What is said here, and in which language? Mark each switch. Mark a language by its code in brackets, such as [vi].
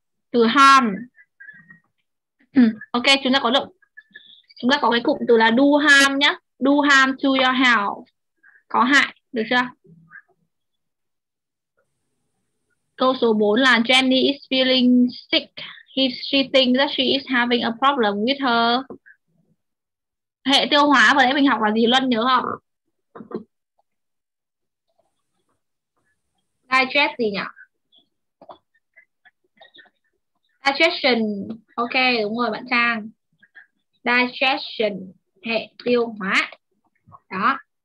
[vi] Từ harm. Ok, chúng ta có được. Chúng ta có cái cụm từ là do harm nhá. Do harm to your health. Có hại, được chưa? Câu số 4 là Jenny is feeling sick. [en] She thinks that she is having a problem with her. [vi] Hệ tiêu hóa vừa nãy mình học là gì Luân nhớ không? Digest gì nhỉ? Digestion. Ok, đúng rồi bạn Trang. Digestion, hệ tiêu hóa. Đó.